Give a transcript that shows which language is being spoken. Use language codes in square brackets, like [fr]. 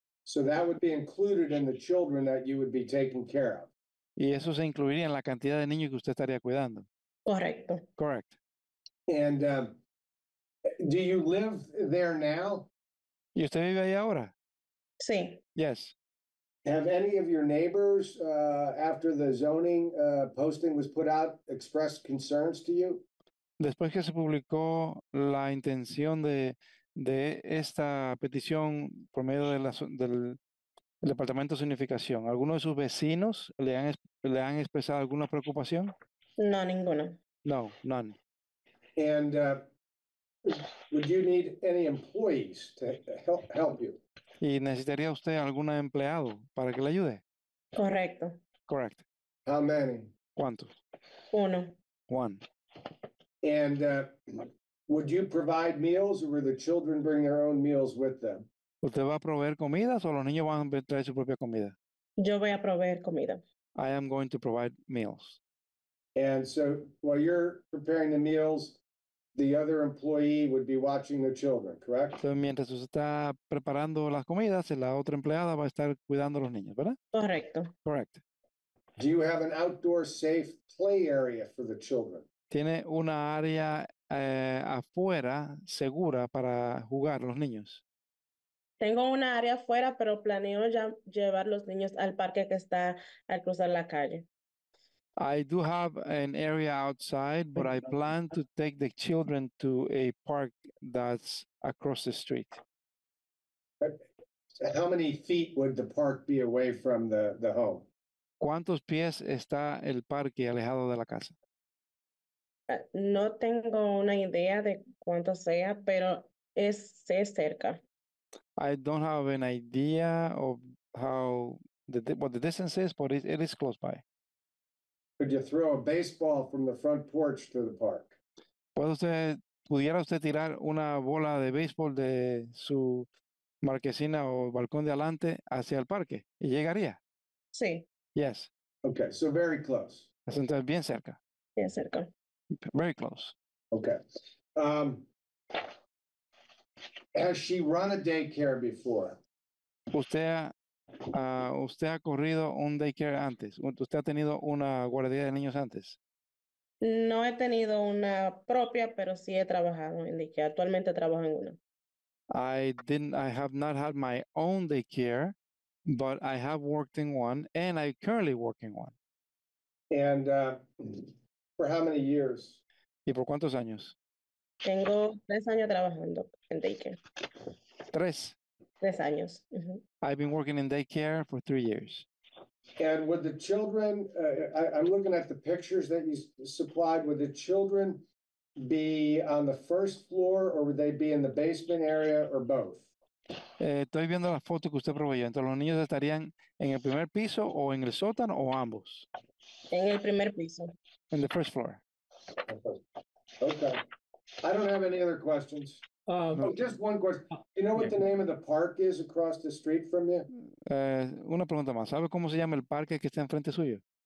[en] So that would be included in the children that you would be taking care of. [es] Y eso se incluiría en la cantidad de niños que usted estaría cuidando. Correcto. [en] Correct. And do you live there now? [es] ¿Y usted vive ahí ahora? Sí. [en] Yes. Have any of your neighbors, after the zoning posting was put out, expressed concerns to you? [es] Después que se publicó la intención de esta petición por medio del Departamento de Zonificación, ¿alguno de sus vecinos le han expresado alguna preocupación? No, ninguno. [en] No, none. And would you need any employees to help you? [es] ¿Y necesitaría usted algún empleado para que le ayude? Correcto. [en] Correct. How many? [es] ¿Cuántos? Uno. [en] One. And would you provide meals, or would the children bring their own meals with them? [es] ¿Usted va a proveer comidas o los niños van a traer su propia comida? Yo voy a proveer comida. [en] I am going to provide meals. And so while you're preparing the meals, the other employee would be watching the children, correct? [es] So, mientras usted está preparando las comidas, la otra empleada va a estar cuidando a los niños, ¿verdad? Correcto. [en] Correct. Do you have an outdoor safe play area for the children? [es] ¿Tiene una área afuera segura para jugar los niños? Tengo una área afuera, pero planeo ya llevar los niños al parque que está al cruzar la calle. [en] I do have an area outside, but I plan to take the children to a park that's across the street. How many feet would the park be away from the home? [es] ¿Cuántos pies está el parque alejado de la casa? No tengo una idea de cuánto sea, pero es cerca. [en] I don't have an idea of what the distance is, but it is close by. Could you throw a baseball from the front porch to the park? [es] ¿Pudiera usted tirar una bola de béisbol de su marquesina o balcón de adelante hacia el parque y llegaría? Sí. [en] Yes. Okay, so very close. [es] Entonces, bien cerca. Bien cerca. [en] Very close. Okay. Has she run a daycare before? [es] ¿Usted ha corrido un daycare antes? ¿Usted ha tenido una guardería de niños antes? No he tenido una propia, pero sí he trabajado en daycare. Actualmente trabajo en una. [en] I have not had my own daycare, but I have worked in one, and I currently work in one. And for how many years? [es] ¿Y por cuántos años? Tengo 3 años trabajando en daycare. ¿Tres? 3 años. [en] Mm-hmm. I've been working in daycare for 3 years. And would the children, I'm looking at the pictures that you supplied, would the children be on the first floor, or would they be in the basement area, or both? [es] Estoy viendo la foto que usted proveyó. Entonces, ¿los niños estarían en el primer piso, o en el sótano, o ambos? En el primer piso. [en] In the first floor. Okay. I don't have any other questions. Just one question. You know what the name of the park is across the street from you? [es] Una pregunta más. ¿Sabe cómo se llama el parque que está enfrente suyo?